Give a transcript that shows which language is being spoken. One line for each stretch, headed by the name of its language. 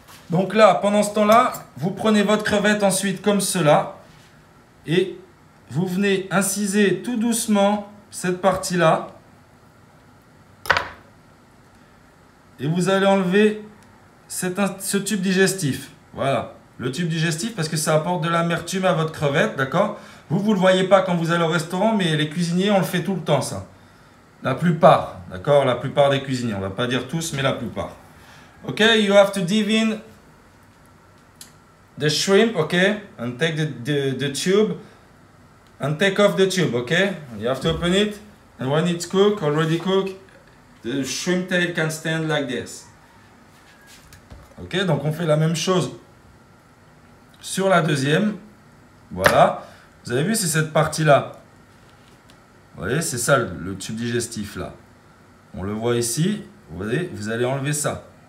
French: Donc là, pendant ce temps-là, vous prenez votre crevette ensuite comme cela et vous venez inciser tout doucement cette partie-là et vous allez enlever ce tube digestif. Voilà, le tube digestif parce que ça apporte de l'amertume à votre crevette, d'accord ? Vous, vous ne le voyez pas quand vous allez au restaurant, mais les cuisiniers, on le fait tout le temps, ça. La plupart, d'accord ? La plupart des cuisiniers, on ne va pas dire tous, mais la plupart.
English: Ok, you have to dive in. The shrimp, okay, and take the tube, and take off the tube, okay? You have to open it, and when it's cooked, already cooked, the shrimp tail can stand like this.
French: Okay, donc on fait la même chose sur la deuxième, voilà. Vous avez vu, c'est cette partie-là. Vous voyez, c'est ça, le tube digestif, là. On le voit ici, vous voyez, vous allez enlever ça.